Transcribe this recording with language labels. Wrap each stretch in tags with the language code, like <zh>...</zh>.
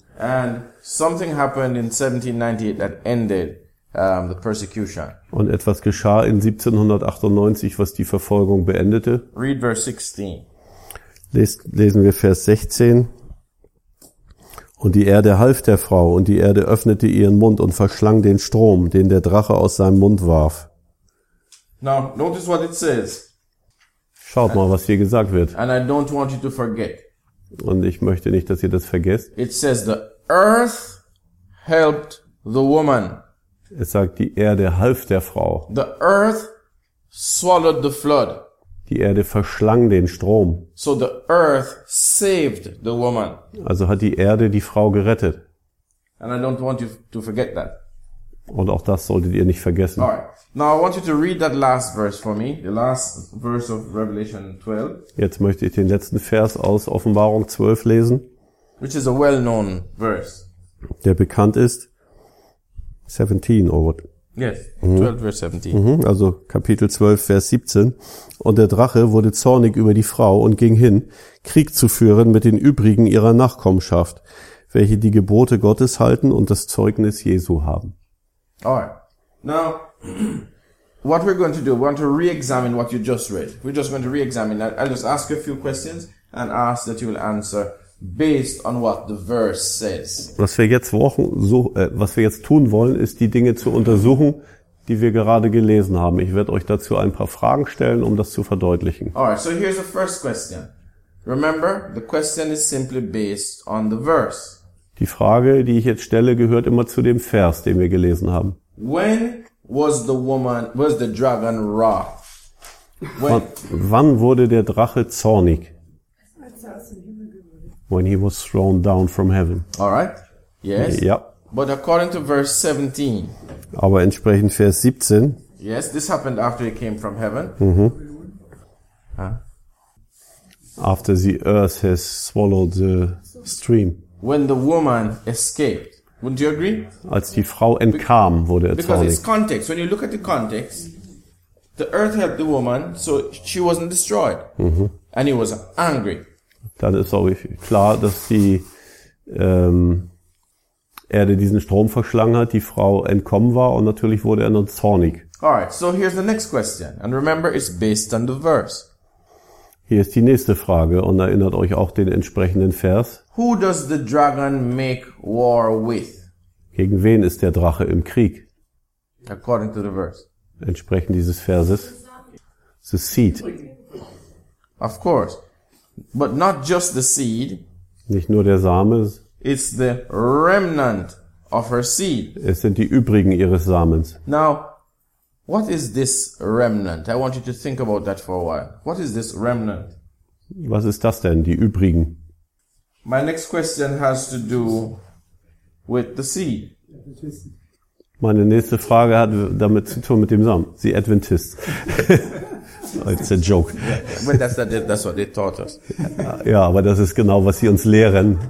<en>And something happened in 1798 that ended the persecution.</en> <de>Und etwas geschah in 1798, was die Verfolgung beendete.</de> <en>Read verse 16.</en> <de>Lesen wir Vers 16. Und die Erde half der Frau, und die Erde öffnete ihren Mund und verschlang den Strom, den der Drache aus seinem Mund warf.</de> <en>Now, notice what it says.</en> <de>Schaut mal, was hier gesagt wird.</de> <en>And I don't want you to forget.</en> <de>Und ich möchte nicht, dass ihr das vergesst.</de> <en>It says the earth helped the woman.</en> <de>Es sagt, die Erde half der Frau.</de> <en>The earth swallowed the flood.</en> <de>Die Erde verschlang den Strom.</de> <en>So the earth saved the woman.</en> <de>Also hat die Erde die Frau gerettet.</de> <en>And I don't want you to forget that.</en> <de>Und auch das solltet ihr nicht vergessen.</de> <en>All right. Now I want you to read that last verse for me, the last verse of Revelation 12.</en> <de>Jetzt möchte ich den letzten Vers aus Offenbarung 12 lesen.</de> <en>Which is a well-known verse.</en> <de>Der bekannt ist. 17</de> <en>or what? Yes, 12 verse 17.</en> <de>Mhm, also Kapitel 12, Vers 17. Und der Drache wurde zornig über die Frau und ging hin, Krieg zu führen mit den übrigen ihrer Nachkommenschaft, welche die Gebote Gottes halten und das Zeugnis Jesu haben.</de> <en>Alright. Now, what we're going to do, we want to re-examine what you just read. We're just going to re-examine that. I'll just ask a few questions and ask that you will answer based on what the verse says.</en> <de>Was wir jetzt tun wollen, ist die Dinge zu untersuchen, die wir gerade gelesen haben. Ich werde euch dazu ein paar Fragen stellen, um das zu verdeutlichen.</de> <en>Alright, so here's the first question. Remember, the question is simply based on the verse.</en> <de>Die Frage, die ich jetzt stelle, gehört immer zu dem Vers, den wir gelesen haben.</de> <en>When was the woman, was the dragon wroth?</en> <de>Wann wurde der Drache zornig?</de> <en>When he was thrown down from heaven. All right. Yes.</en> <de>Ja.</de> <en>But according to verse 17.</en> <de>Aber entsprechend Vers 17.</de> <en>Yes, this happened after he came from heaven. Mm-hmm. Huh? After the earth has swallowed the stream. When the woman escaped. Wouldn't you agree?</en> <de>Als die Frau entkam, wurde er zornig.</de> <en>Because it's context. When you look at the context, the earth held the woman, so she wasn't destroyed. Mm-hmm. And he was angry.</en> <de>Dann ist auch klar, dass die Erde diesen Strom verschlangen hat, die Frau entkommen war und natürlich wurde er nur zornig.</de> <en>Alright, so here's the next question. And remember, it's based on the verse.</en> <de>Hier ist die nächste Frage und erinnert euch auch den entsprechenden Vers.</de> <en>Who does the dragon make war with?</en> <de>Gegen wen ist der Drache im Krieg?</de> <en>According to the verse.</en> <de>Entsprechend dieses Verses.</de> <en>The seed. Of course. But not just the seed.</en> <de>Nicht nur der Same.</de> <en>It's the remnant of her seed.</en> <de>Es sind die übrigen ihres Samens.</de> <en>Now, what is this remnant? I want you to think about that for a while. What is this remnant?</en> <de>Was ist das denn, die übrigen?</de> <en>My next question has to do with the seed.</en> <de>Meine nächste Frage hat damit zu tun mit dem Samen.</de> <en>The Adventists. It's a joke. Yeah, but that's what they taught us.</en> <de>Ja, aber das ist genau, was sie uns lehren.</de>